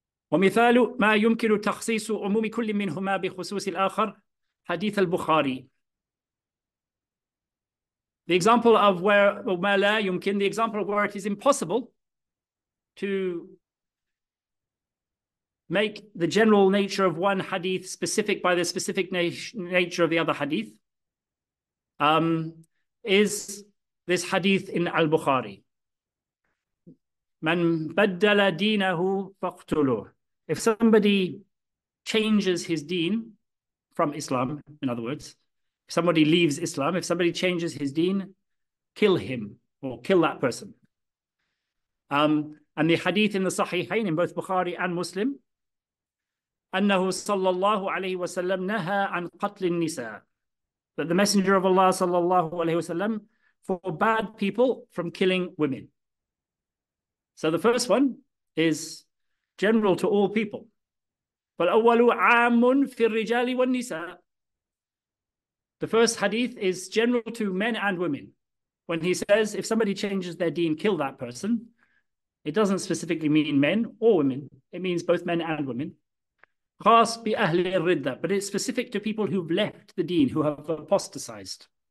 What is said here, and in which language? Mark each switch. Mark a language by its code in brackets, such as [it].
[ar] ومثال ما يمكن تخصيص عموم كل منهما بخصوص الآخر حديث البخاري. [en] The example of where the example of where it is impossible to make the general nature of one hadith specific by the specific nature of the other hadith is this hadith in al-Bukhari. [ar] من بدل دينه فاقتلوه. [en] If somebody changes his deen from Islam, in other words, if somebody leaves Islam, if somebody changes his deen, kill him or kill that person. And the hadith in the Sahihain, in both Bukhari and Muslim, [ar] أنه صلى الله عليه وسلم نهى عن قتل النساء. [en] That the Messenger of Allah [ar] صلى الله عليه وسلم [en] forbade people from killing women. So the first one is general to all people. [ar] فالأول عام في الرجال والنساء. [en] The first hadith is general to men and women. When he says, if somebody changes their deen, kill that person, it doesn't specifically mean men or women. It means both men and women. [ar] خاص بأهل الردة. [en] But it's specific to people who've left the deen, who have apostatized.